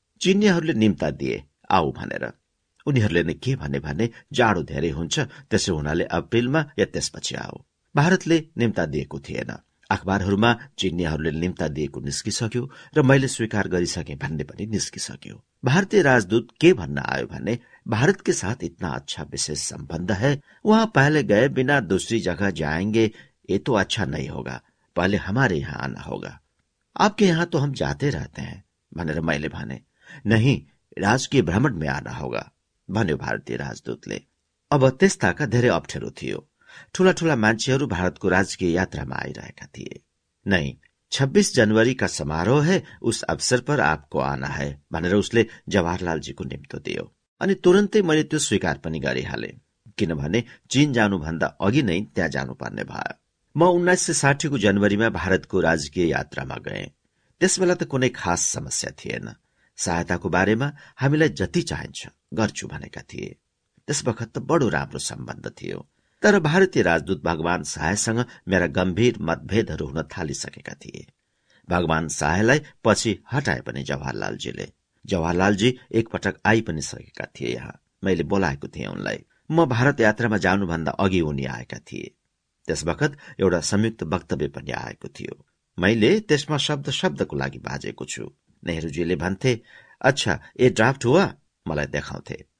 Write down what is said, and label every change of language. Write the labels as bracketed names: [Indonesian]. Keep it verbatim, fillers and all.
[Nepali] चिनियाहरूले निम्ता दिए आऊ भनेर, उनीहरूले नै के भने भने जाडो धेरै हुन्छ, त्यसो हुनाले अप्रेलमा या त्यसपछि आऊ। भारतले निम्ता दिएको थिएन, अखबारहरूमा चिनियाहरूले निम्ता दिएको निस्किसक्यो र मैले स्वीकार गरिसके भन्ने पनि निस्किसक्यो। भारतीय राजदूत के भन्न आयो भने [Hindi] भारत के साथ इतना अच्छा विशेष सम्बन्ध है, वहाँ पहले गए बिना दूसरी जगह जाएंगे, ये तो अच्छा नहीं होगा, पहले हमारे यहाँ आना होगा। आपके यहाँ तो हम जाते रहते हैं, [Nepali] भने रमाइले भने। [Hindi] नहीं, राजकीय भ्रमण में आना होगा, [Nepali] भन्यो भारतीय राजदूतले। अब त्यस्ताका धेरै अप्ठ्यारो थियो। ठूला ठूला मान्छेहरू भारतको राजकीय यात्रामा आइरहेका थिए। नहीं, छब्बीस जनवरी का समारोह है, उस अवसर पर आपको आना है, भनेर उसले जवाहरलाल जीको निम्तो दियो। अनि तुरन्तै मैले त्यो स्वीकार पनि गरिहालेँ, किनभने चीन जानुभन्दा अघि नै त्यहाँ जानुपर्ने भयो। म उन्नाइस सय साठीको जनवरीमा भारतको राजकीय यात्रामा गएँ। त्यसबेला त कुनै खास समस्या थिएन। सहायताको बारेमा हामीलाई जति चाहिन्छ गर्छु भनेका थिए। त्यस वखत त बडो राम्रो सम्बन्ध थियो, तर भारतीय राजदूत भगवान शाहसँग मेरा गम्भीर मतभेदहरू हुन थालिसकेका थिए। भगवान शाहलाई पछि हटाए पनि जवाहरलालजीले। जवाहरलालजी एकपटक आइ पनि सकेका थिए यहाँ, मैले बोलाएको थिएँ उनलाई। म भारत यात्रामा जानुभन्दा अघि उनी आएका थिए। त्यस वखत एउटा संयुक्त वक्तव्य पनि आएको थियो, मैले त्यसमा शब्द शब्दको लागि बाजेको छु। नेहरूजीले भन्थे, [Hindi] अच्छा ए ड्राफ्ट हुआ, [Nepali] मलाई देखाउँथे।